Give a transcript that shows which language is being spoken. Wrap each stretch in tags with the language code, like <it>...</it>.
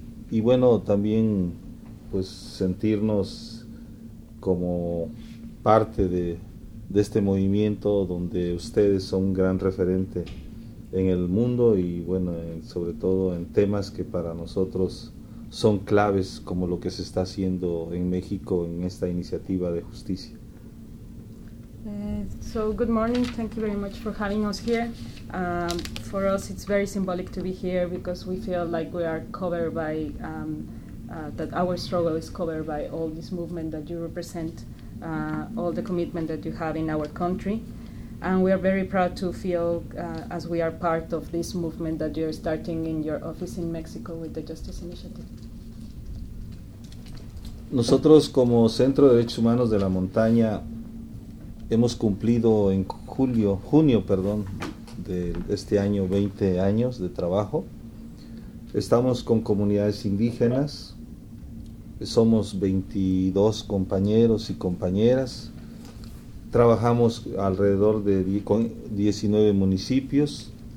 <es>Y bueno, también pues sentirnos como parte de este movimiento donde ustedes son un gran referente en el mundo y bueno, sobre todo en temas que para nosotros son claves como lo que se está haciendo en México en esta iniciativa de justicia.</es> <en>So good morning. Thank you very much for having us here. For us, it's very symbolic to be here because we feel like we are covered by that our struggle is covered by all this movement that you represent, all the commitment that you have in our country, and we are very proud to feel as we are part of this movement that you are starting in your office in Mexico with the Justice Initiative.</en> <es>Nosotros como Centro de Derechos Humanos de la Montaña hemos cumplido en junio, de este año 20 años de trabajo. Estamos con comunidades indígenas, somos 22 compañeros y compañeras, trabajamos alrededor de 19 municipios</es>